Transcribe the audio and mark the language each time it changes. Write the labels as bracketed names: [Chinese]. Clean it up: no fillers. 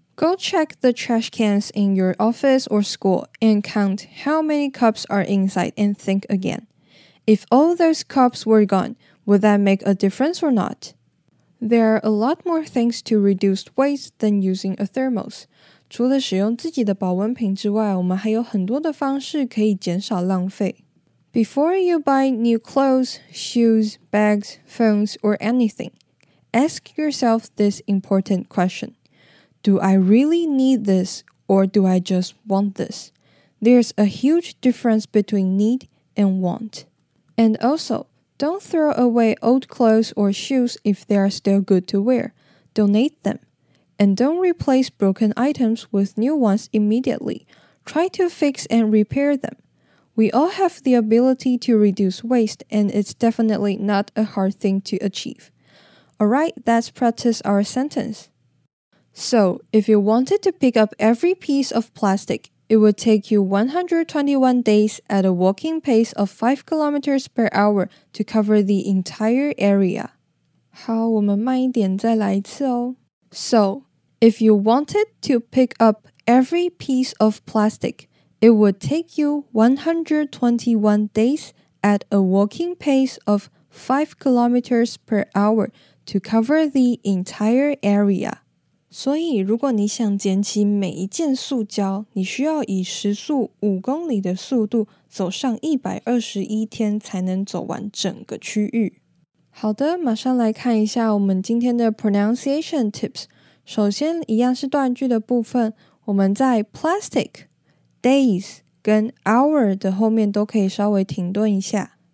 [English] Go check the trash cans in your office or school and count how many cups are inside and think again. If all those cups were gone, would that make a difference or not? There are a lot more things to reduce waste than using a thermos. [Chinese] 除了使用自己的保温瓶之外，我们还有很多的方式可以减少浪费。 [English] Before you buy new clothes, shoes, bags, phones, or anything, ask yourself this important question. Do I really need this, or do I just want this? There's a huge difference between need and want. And also,Don't throw away old clothes or shoes if they are still good to wear. Donate them. And don't replace broken items with new ones immediately. Try to fix and repair them. We all have the ability to reduce waste, and it's definitely not a hard thing to achieve. Alright, let's practice our sentence. So, if you wanted to pick up every piece of plastic, it would take you 121 days at a walking pace of 5 kilometers per hour to cover the entire area. [Chinese] 好，我们慢一点再来一次哦。 [English] So, if you wanted to pick up every piece of plastic, it would take you 121 days at a walking pace of 5 kilometers per hour to cover the entire area. [Chinese] 所以如果你想捡起每一件塑胶，你需要以时速5公里的速度走上121天才能走完整个区域。好的，马上来看一下我们今天的 [English] pronunciation tips。 [Chinese] 首先一样是断句的部分，我们在 plastic、 days 跟 hour 的后面都可以稍微停顿一下。